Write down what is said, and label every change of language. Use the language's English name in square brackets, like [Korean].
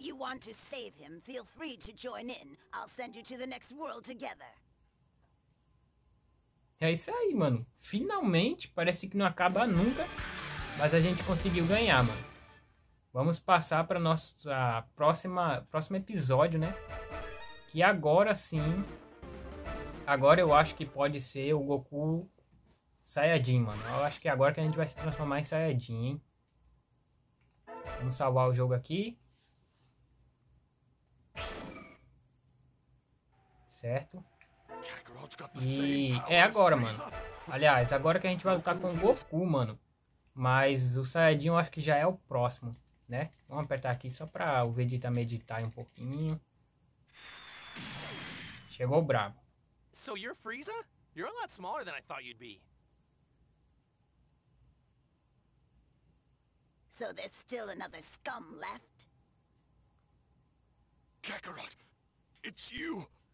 [Portuguese] Se você quer salvar ele, [English] feel free to join in. I'll send you to the next world together. [Portuguese] É isso aí, mano. Finalmente, parece que não acaba nunca. Mas a gente conseguiu ganhar, mano. Vamos passar para nossa próximo episódio, né? Que agora sim. Agora eu acho que pode ser o Goku Saiyajin, mano. Eu acho que é agora que a gente vai se transformar em Saiyajin, hein? Vamos salvar o jogo aqui. Certo? E é agora, mano. Aliás, agora que a gente vai lutar com o Goku, mano. Mas o Saiyajin eu acho que já é o próximo, né? Vamos apertar aqui só pra o Vegeta meditar um pouquinho. Chegou brabo. [English] So you're Frieza? You're a lot smaller than I thought you'd be. So there's still another scum left? Kakarot, it's you!